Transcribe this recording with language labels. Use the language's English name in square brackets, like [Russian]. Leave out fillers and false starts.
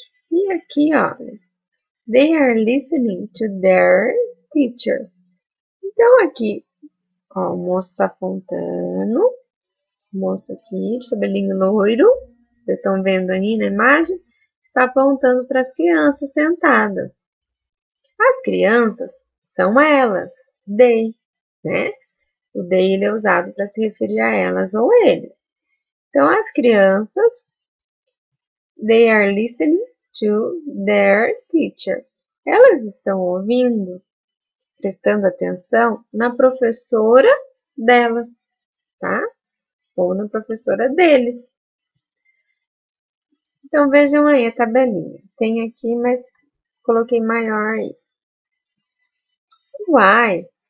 [Portuguese] E aqui, olha, [English] they are listening to their teacher. [Portuguese] Então, aqui, ó, o moço tá apontando, moço aqui, de cabelinho loiro, vocês estão vendo aí na imagem, está apontando para as crianças sentadas. As crianças são elas, they, né? O they, ele é usado para se referir a elas ou eles. Então, as crianças, [English] they are listening to their teacher. [Portuguese] Elas estão ouvindo, prestando atenção na professora delas, tá? Ou na professora deles. Então, vejam aí a tabelinha. Tem aqui, mas coloquei maior aí. [English] Why?